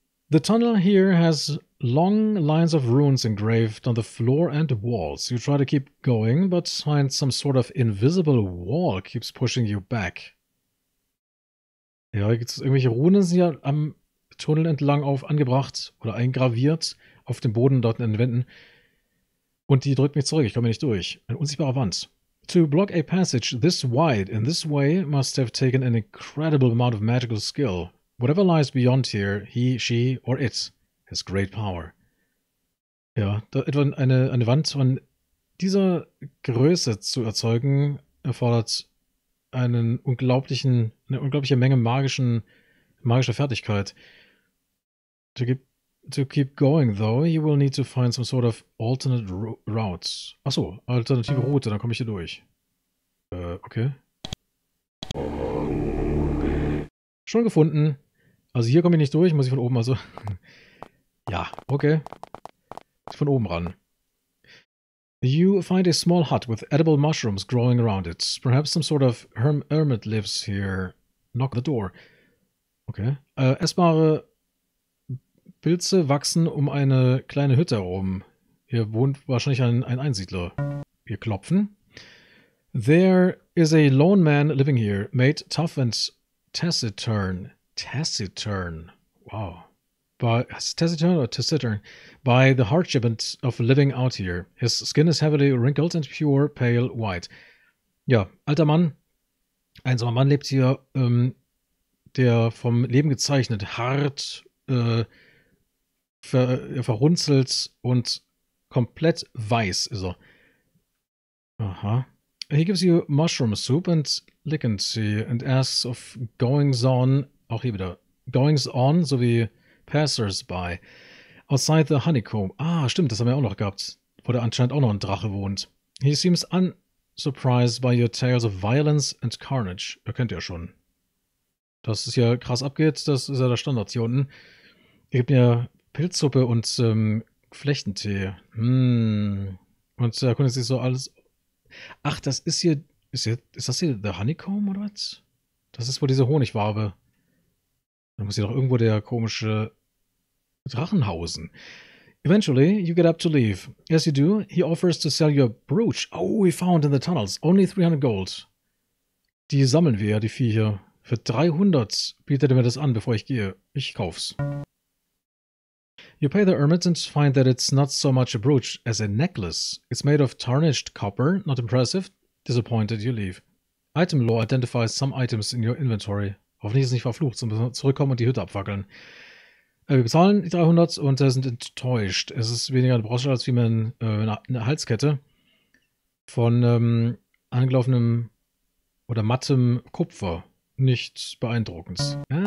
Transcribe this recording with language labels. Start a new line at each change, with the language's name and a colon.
English: The tunnel here has long lines of runes engraved on the floor and walls. You try to keep going, but find some sort of invisible wall keeps pushing you back.
German: Ja, gibt es irgendwelche Runen sind ja am Tunnel entlang auf angebracht oder eingraviert auf dem Boden dort in den Wänden. Und die drückt mich zurück. Ich komme nicht durch. Eine unsichtbare Wand.
English: To block a passage this wide in this way must have taken an incredible amount of magical skill. Whatever lies beyond here, he, she or it has great power.
German: Ja, da etwa eine Wand von dieser Größe zu erzeugen, erfordert eine unglaubliche Menge magischer Fertigkeit.
English: To keep going, though, you will need to find some sort of alternate route.
German: Ach so, alternative Route, dann komme ich hier durch. Okay. Schon gefunden. Also hier komme ich nicht durch, muss ich von oben also. Ja, okay. Von oben ran.
English: You find a small hut with edible mushrooms growing around it. Perhaps some sort of hermit lives here. Knock the door. Okay.
German: Essbare Pilze wachsen um eine kleine Hütte herum. Hier wohnt wahrscheinlich ein Einsiedler. Wir klopfen.
English: There is a lone man living here, made tough and taciturn. Taciturn. Wow. by taciturn or taciturn by the hardship and of living out here. His skin is heavily wrinkled and pure pale white.
German: Ja, alter Mann, einsamer Mann lebt hier, der vom Leben gezeichnet, hart, verrunzelt und komplett weiß ist er.
English: Aha. He gives you mushroom soup and liquency and asks of goings on,
German: auch hier wieder,
English: goings on
German: sowie
English: passersby outside the honeycomb.
German: Ah, stimmt, das haben wir auch noch gehabt, wo der anscheinend auch noch ein Drache wohnt.
English: He seems unsurprised by your tales of violence and carnage.
German: Er kennt ja schon, dass es hier krass abgeht, das ist ja der Standard hier unten. Er gibt mir Pilzsuppe und Flechtentee. Und er erkundet sich so alles. Ach, das ist hier, ist das hier der Honeycomb oder was? Das ist wohl diese Honigwabe. Da muss hier doch irgendwo der komische Drachenhausen.
English: Eventually, you get up to leave. As you do, he offers to sell your brooch. Oh, we found in the tunnels. Only 300 gold.
German: Die sammeln wir ja, die Viecher. Für 300 bietet er mir das an, bevor ich gehe. Ich kauf's.
English: You pay the ermit and find that it's not so much a brooch as a necklace. It's made of tarnished copper. Not impressive. Disappointed, you leave. Item lore identifies some items in your inventory.
German: Hoffentlich ist es nicht verflucht, sonst müssen wir zurückkommen und die Hütte abfackeln. Wir bezahlen die 300 und sind enttäuscht. Es ist weniger eine Brosche als wie eine Halskette von angelaufenem oder mattem Kupfer. Nicht beeindruckend.